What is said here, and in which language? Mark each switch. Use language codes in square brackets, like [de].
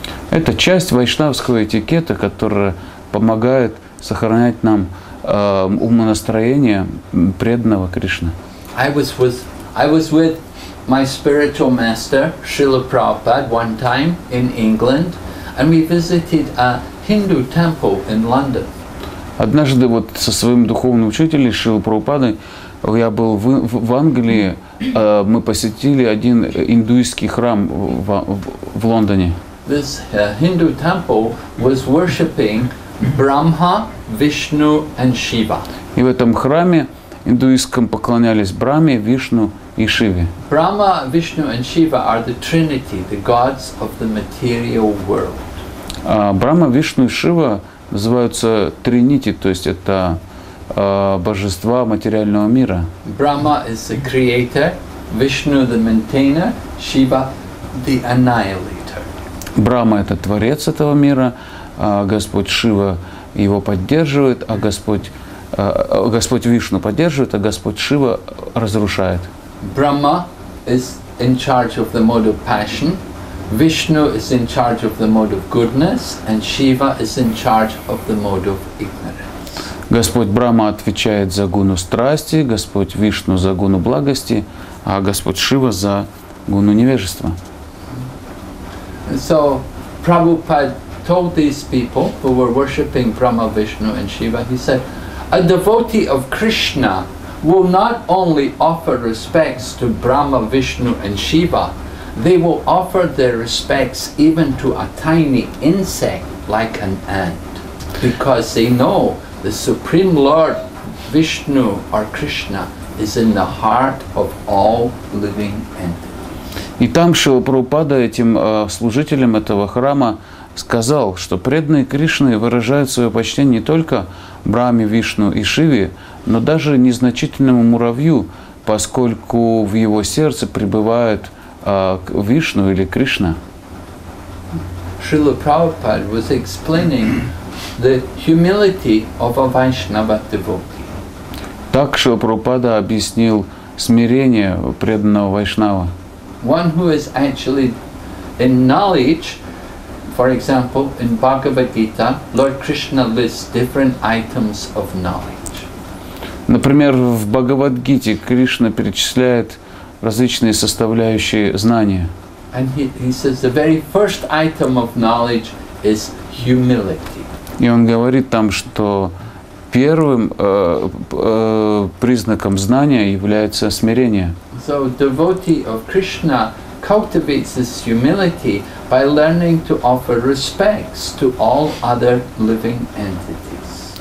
[ru] Это часть вайшнавского этикета, которая помогает сохранять нам умонастроение преданного Кришны. [en] I was with my spiritual master Srila Prabhupada one time in England, And we visited a Hindu temple in London. [ru] Однажды вот со своим духовным учителем Шрилой Прабхупадой я был в Англии, мы посетили один индуистский храм в Лондоне. [en] This Hindu temple was worshiping Brahma, Vishnu and Shiva. [ru] И в этом храме индуистском поклонялись Брахме, Вишну и Шиве. [en] Brahma, Vishnu and Shiva are the Trinity, the gods of the material world. [ru] Брахма, Вишну и Шива называются Тринити, то есть это божества материального мира. [en] Brahma is the creator, Vishnu the maintainer, Shiva the annihilator. [ru] Брахма это творец этого мира, Господь Шива его поддерживает, а Господь Вишну поддерживает, а Господь Шива разрушает. [en] Brahma is in charge of the mode of passion. Vishnu is in charge of the mode of goodness, and Shiva is in charge of the mode of ignorance. [ru] Господь Брахма отвечает за гуну страсти, Господь Вишну за гуну благости, а Господь Шива за гуну невежества. [en] So, Prabhupada told these people who were worshipping Brahma, Vishnu, and Shiva, he said, a devotee of Krishna will not only offer respects to Brahma, Vishnu, and Shiva, they will offer their respects even to a tiny insect like an ant, because they know the Supreme Lord Vishnu or Krishna is in the heart of all living entities. [ru] И там Шрила Прабхупада этим служителям этого храма сказал, что преданные Кришны выражают свое почтение не только Брахме, Вишну и Шиве, но даже незначительному муравью, поскольку в его сердце пребывают Вишну или Кришна. [en] Шрила Прабхупада was explaining the humility of a Vaishnava devotee. [ru] Так Шрила Прабхупада объяснил смирение преданного Вайшнава. [en] One who is actually in knowledge, for example, in Bhagavad Gita, Lord Krishna lists different items of knowledge. [ru] Например, в Бхагавад Гите Кришна перечисляет различные составляющие знания. [en] And he says the very first item of knowledge is humility. [ru] И он говорит там, что первым признаком знания является смирение. [en] So devotee of Krishna cultivates this humility by learning to offer respects to all other living entities.